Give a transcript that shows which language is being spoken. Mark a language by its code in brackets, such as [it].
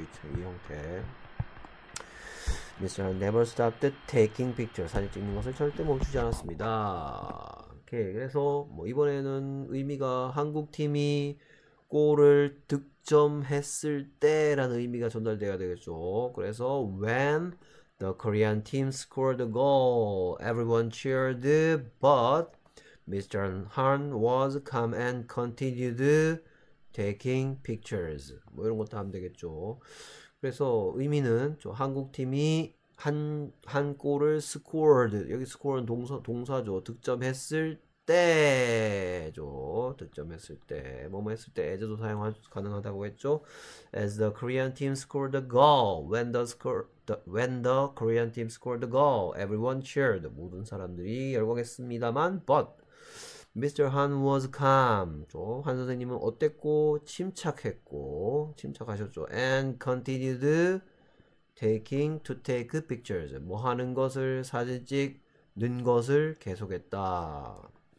[ko] 이 형태. Mr. [en] Never stopped taking pictures. [ko] 사진 찍는 것을 절대 멈추지 않았습니다. 오케이. 그래서 뭐 이번에는 의미가 한국 팀이 골을 득점했을 때라는 의미가 전달되어야 되겠죠. 그래서 [en] when the Korean team scored the goal, everyone cheered, but Mr. Han was calm and continued taking pictures. [ko] 뭐 이런 것도 하면 되겠죠. 그래서 의미는 저 한국 팀이 한 골을 scored. 여기 score는 동사죠. 득점했을 때죠. 득점했을 때. 뭐뭐 했을 때 as도 사용 가능하다고 했죠. [en] As the Korean team scored the goal. When the Korean team scored the goal, everyone cheered. [ko] 모든 사람들이 열광했습니다만, [en] but Mr. Han was calm. [ko] 저한 선생님은 어땠고 침착했고 침착하셨죠. [en] And continued to take pictures. [ko] 뭐 하는 것을 사진 찍는 것을 계속했다.